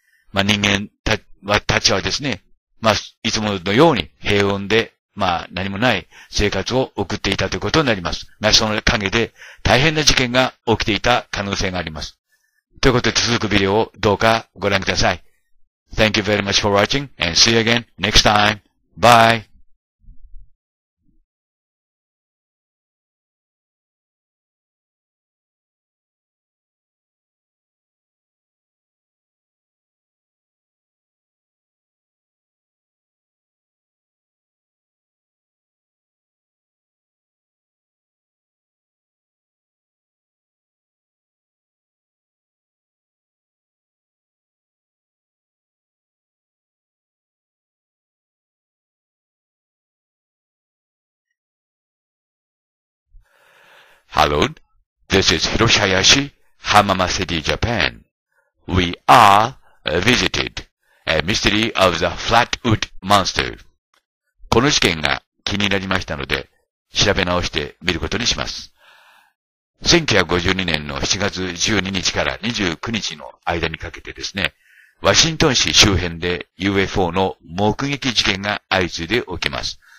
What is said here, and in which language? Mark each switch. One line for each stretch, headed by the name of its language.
Japanese: まあ人間たちはですね、まあいつものように平穏で、まあ何もない生活を送っていたということになります。まあその陰で大変な事件が起きていた可能性があります。ということで続くビデオをどうかご覧ください。
English: Thank you very much for watching and see you again next time. Bye! Hello, this is Hiroshihayashi, Hamama City, Japan. We are visited a mystery of the Flatwood Monster.
Japanese: この事件が気になりましたので、調べ直してみることにします。 1952年の7月12日から29日の間にかけてですね、ワシントン市周辺で UFO の目撃事件が相次いで起きます。